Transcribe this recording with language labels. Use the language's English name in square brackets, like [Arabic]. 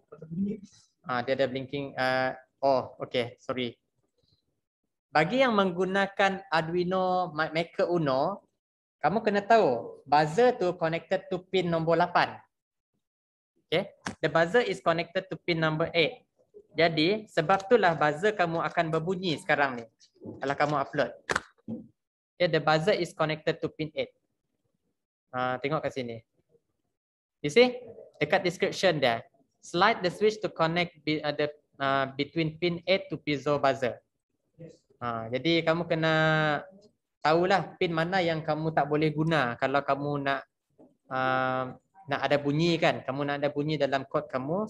[Malay] Dia ada blinking. Okay, sorry. Bagi yang menggunakan Arduino Maker Uno, kamu kena tahu buzzer tu [English] connected to pin [Malay] nombor 8. [English] Okay, the buzzer is connected to pin number 8. [Malay] Jadi sebab itulah buzzer kamu akan berbunyi sekarang ni. Kalau kamu upload. [English] Okay, the buzzer is connected to pin 8. [Malay] Tengok kat sini. [English] You see? [Malay] Dekat description dia. [English] Slide the switch to connect between pin 8 to piezo buzzer. [Malay] Jadi kamu kena tahulah pin mana yang kamu tak boleh guna kalau kamu nak nak ada bunyi kan. Kamu nak ada bunyi dalam kod kamu.